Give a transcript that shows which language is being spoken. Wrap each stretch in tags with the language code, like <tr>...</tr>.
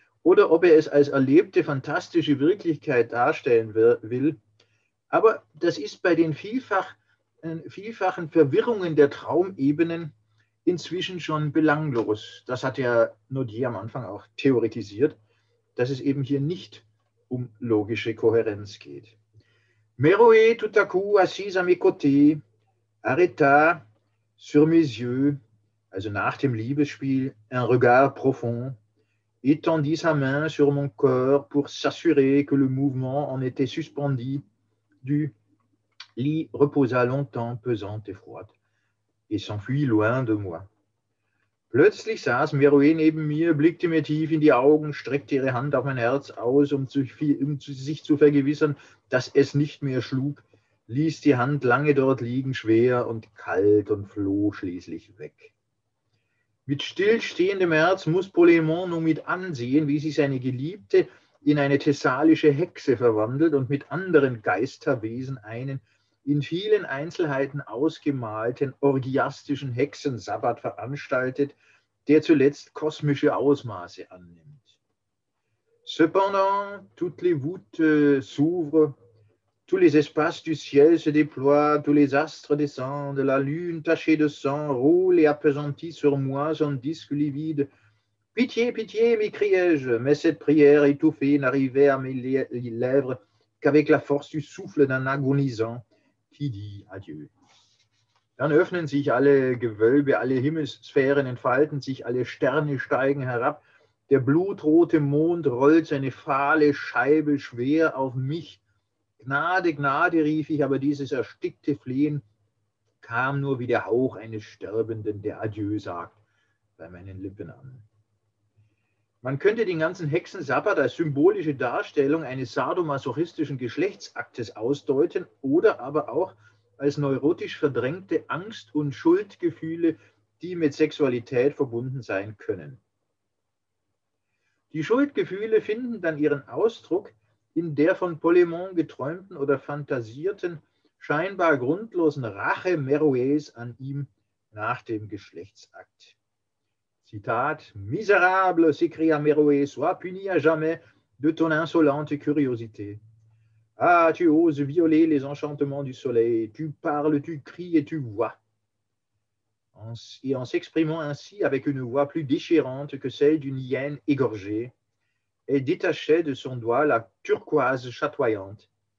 <de>oder ob er es als erlebte, fantastische Wirklichkeit darstellen will. Aber das ist bei den vielfachen Verwirrungen der Traumebenen inzwischen schon belanglos. Das hat ja Nodier am Anfang auch theoretisiert, dass es eben hier nicht um logische Kohärenz geht.</de> <fr>Meroé tout à coup assise à mes côtés, arrêta sur mes yeux,</fr> <de>also nach dem Liebesspiel,</de> <fr>un regard profond, étendit sa main sur mon corps pour s'assurer que le mouvement en était suspendu, du lit reposa longtemps pesante et froide, et s'enfuit loin de moi.</fr> <de>Plötzlich saß Meroé neben mir, blickte mir tief in die Augen, streckte ihre Hand auf mein Herz aus, sich zu vergewissern, dass es nicht mehr schlug, ließ die Hand lange dort liegen, schwer und kalt, und floh schließlich weg. Mit stillstehendem Herz muss Polemon nun mit ansehen, wie sie seine Geliebte in eine thessalische Hexe verwandelt und mit anderen Geisterwesen einen in vielen Einzelheiten ausgemalten orgiastischen Hexensabbat veranstaltet, der zuletzt kosmische Ausmaße annimmt.</de> <fr>Cependant, toutes les voûtes s'ouvrent, tous les espaces du ciel se déploient, tous les astres descendent, la lune tachée de sang roule et appesantit sur moi son disque livide. Pitié, pitié, m'écriai-je, mais cette prière étouffée n'arrivait à mes lèvres qu'avec la force du souffle d'un agonisant qui dit adieu.</fr> <de>Dann öffnen sich alle Gewölbe, alle Himmelssphären entfalten sich, alle Sterne steigen herab. Der blutrote Mond rollt seine fahle Scheibe schwer auf mich. Gnade, Gnade, rief ich, aber dieses erstickte Flehen kam nur wie der Hauch eines Sterbenden, der adieu sagt, bei meinen Lippen an. Man könnte den ganzen Hexensabbat als symbolische Darstellung eines sadomasochistischen Geschlechtsaktes ausdeuten oder aber auch als neurotisch verdrängte Angst- und Schuldgefühle, die mit Sexualität verbunden sein können. Die Schuldgefühle finden dann ihren Ausdruck in der von Polemon geträumten oder fantasierten, scheinbar grundlosen Rache Meroés an ihm nach dem Geschlechtsakt.</de> <fr>Zitat, miserable, s'écria Meroé, sois puni à jamais de ton insolente curiosité. Ah, tu oses violer les enchantements du soleil, tu parles, tu cries et tu vois. Et en s'exprimant ainsi avec une voix plus déchirante que celle d'une hyène égorgée, elle détachait de son doigt la turquoise chatoyante.</fr>